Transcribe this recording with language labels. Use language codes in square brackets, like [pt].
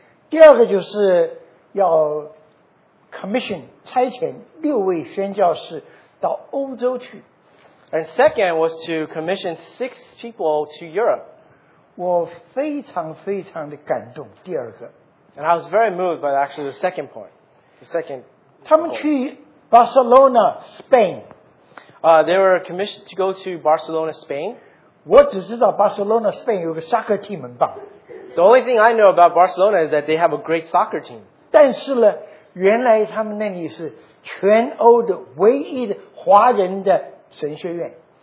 [zh] 第二个就是要 commission 差遣六位宣教士到欧洲去。 [en] And second was to commission six people to Europe. [zh] 我非常非常的感动。第二个。 [en] And I was very moved by actually the second point. The second. [zh] 他们去 Barcelona, Spain. [en] They were commissioned to go to Barcelona, Spain. [zh] 我只知道 Barcelona, Spain 有个 [en] soccer team [zh] 很棒。 [en] The only thing I know about Barcelona is that they have a great soccer team. [zh] 但是呢，原来他们那里是全欧的唯一的华人的神学院。